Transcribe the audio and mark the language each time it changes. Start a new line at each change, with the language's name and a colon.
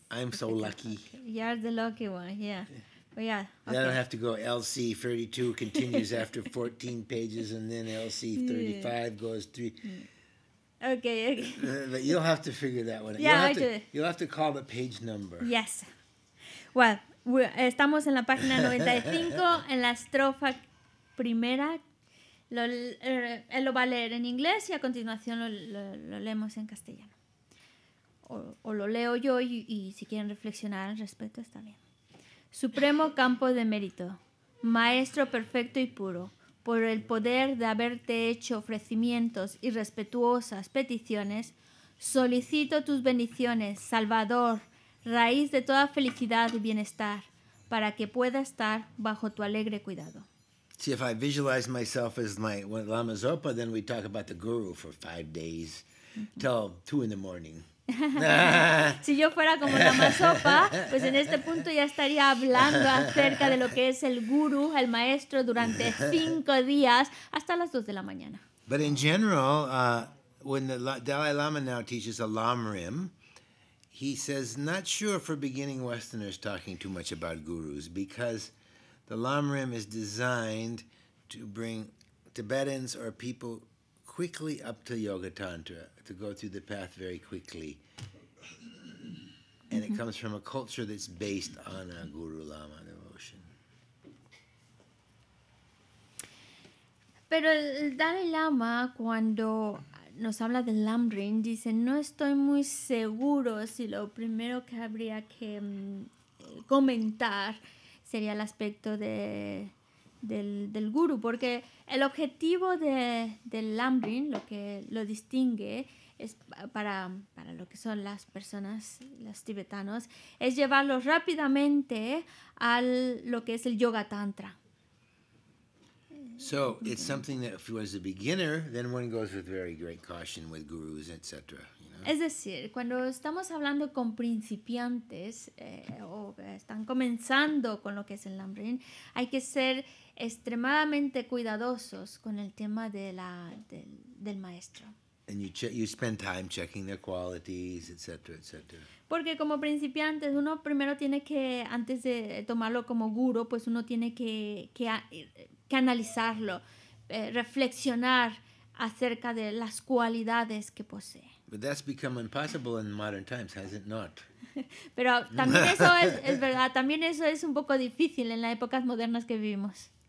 English: I'm so lucky. You're the lucky one, yeah. But yeah. Okay. Then I don't have to go LC 32 continues after 14 pages and then LC 35 goes three. Okay. But you'll have to figure that one out. Yeah, you'll have I do. You'll have to call the page number. Yes.
Spanish: Well, estamos en la página 95, en la estrofa primera. Él lo va a leer en inglés y a continuación lo leemos en castellano. O lo leo yo y si quieren reflexionar al respecto, está bien. Supremo campo de mérito, maestro perfecto y puro, por el poder de haberte hecho ofrecimientos y respetuosas peticiones, solicito tus bendiciones, Salvador, raíz de toda felicidad y bienestar, para que pueda estar bajo tu alegre cuidado.
English: See, if I visualize myself as my Lama Zopa, then we talk about the guru for 5 days, till 2 a.m.
Spanish: Si yo fuera como Lama Zopa, pues en este punto ya estaría hablando acerca de lo que es el guru, el maestro, durante 5 días, hasta las 2 a.m.
English: But in general, when the Dalai Lama now teaches a Lamrim, he says, not sure for beginning Westerners talking too much about gurus, because the Lamrim is designed to bring Tibetans or people quickly up to Yoga Tantra, to go through the path very quickly. And it comes from a culture that's based on a Guru Lama devotion.
Spanish: Pero el Dalai Lama, cuando nos habla del Lamrim, dice, no estoy muy seguro si lo primero que habría que comentar sería el aspecto del guru, porque el objetivo del Lamrim, lo que lo distingue, es para lo que son las personas, los tibetanos, es llevarlos rápidamente a lo que es el yoga tantra.
English: So it's something that if you was a beginner, then one goes with very great caution with gurus, etc.
Spanish: Es decir, cuando estamos hablando con principiantes o están comenzando con lo que es el Lamrim, hay que ser extremadamente cuidadosos con el tema del maestro.
English: And you spend time checking their qualities, etc., etc.
Spanish: Porque como principiantes, uno primero tiene que, antes de tomarlo como guru, pues uno tiene que analizarlo, reflexionar acerca de las cualidades que posee.
English: But that's become impossible in modern times, has it not?
Spanish: Pero también eso es verdad, también eso es un poco difícil en las épocas modernas que vivimos.